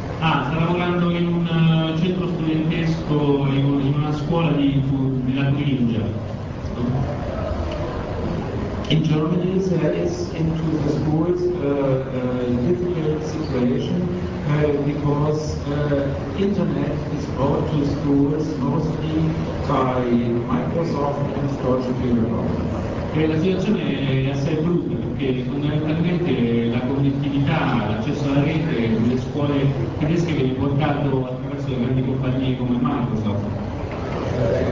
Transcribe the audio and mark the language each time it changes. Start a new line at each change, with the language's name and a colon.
Italian: Ah, sta lavorando in un centro studentesco in una scuola di la Turingia.
English: In Germany there is into the schools difficult situation because internet is brought to schools mostly by Microsoft and Deutsche Telekom.
Italian: E la situazione è assai brutta perché fondamentalmente la connettività, l'accesso alla rete nelle scuole tedesche viene portato attraverso le grandi compagnie come Microsoft.